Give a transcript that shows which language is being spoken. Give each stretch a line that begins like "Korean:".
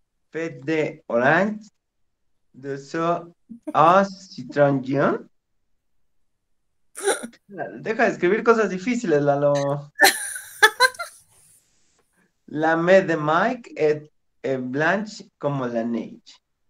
French: Faites des oranges de ce citron jaune.
Spanish: Deja de escribir cosas difíciles, Lalo.
French: La mer de Mike est blanche comme la neige.